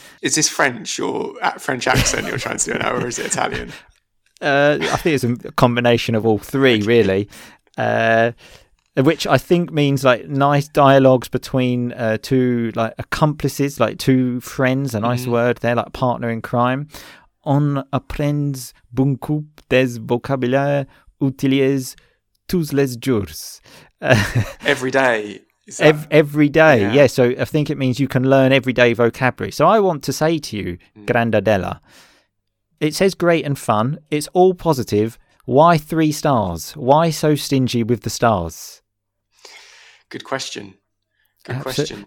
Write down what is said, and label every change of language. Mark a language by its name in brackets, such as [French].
[English] Is this French or French accent you're trying to do now, or is it Italian? I think it's a combination of all three, really. Which I think means like nice dialogues between two like accomplices, like two friends, a nice word there, like partner in crime. [French] On apprends beaucoup des vocabulaire utilisés tous les jours. [English] Every day. Every day, yeah. So I think it means you can learn everyday vocabulary. So I want to say to you, Grandadella, it says great and fun. It's all positive. Why three stars? Why so stingy with the stars? Good question. Good question.